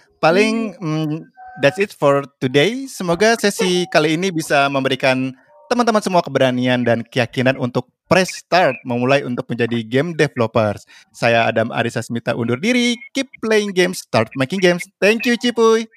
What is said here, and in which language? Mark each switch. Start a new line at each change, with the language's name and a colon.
Indonesian: Paling
English: that's it for today.
Indonesian: Semoga sesi kali ini bisa memberikan teman-teman semua keberanian dan keyakinan untuk
English: press start
Indonesian: memulai untuk menjadi game developers. Saya Adam Arisa Smita undur diri.
English: Keep playing games, start making games. Thank you, Cipuy.